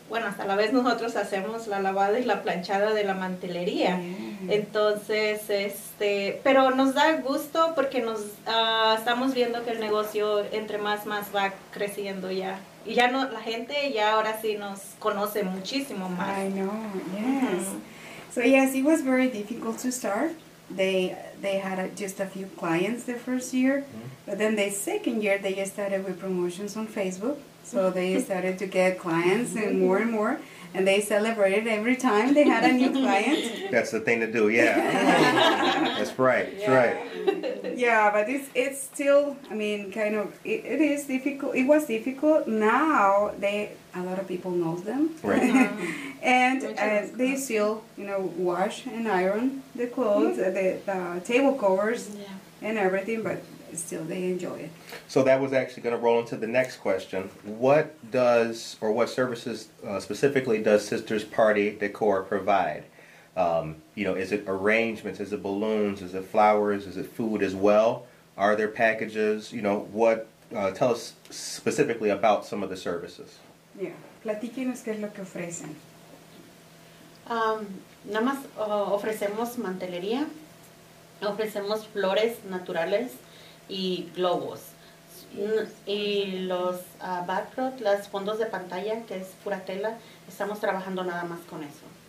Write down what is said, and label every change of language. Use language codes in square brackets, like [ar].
[es] Bueno, hasta la vez nosotros hacemos la lavada y la planchada de la mantelería. Entonces, pero nos da gusto porque nos estamos viendo que el negocio entre más va creciendo ya. Y ya no, la gente ya ahora sí nos conoce muchísimo más. [en] I know, yes. So yes, it was very difficult to start. They had just a few clients the first year, but then the second year they started with promotions on Facebook, so they started to get clients and more, and they celebrated every time they had a new client. That's the thing to do, yeah. That's right, that's right. Yeah, but it's still, I mean, kind of, it is difficult. It was difficult. Now, a lot of people know them. Right. Uh-huh. And they still, you know, wash and iron the clothes, the table covers, and everything, but still they enjoy it. So that was actually going to roll into the next question. What does, or what services specifically does Sisters Party Decor provide? Is it arrangements, is it balloons, is it flowers, is it food as well? Are there packages? You know, what, tell us specifically about some of the services. [es] Yeah, platíquenos qué es lo que ofrecen. Nada más ofrecemos mantelería, ofrecemos flores naturales y globos. Y los backdrop, los fondos de pantalla, que es pura tela, estamos trabajando nada más con eso.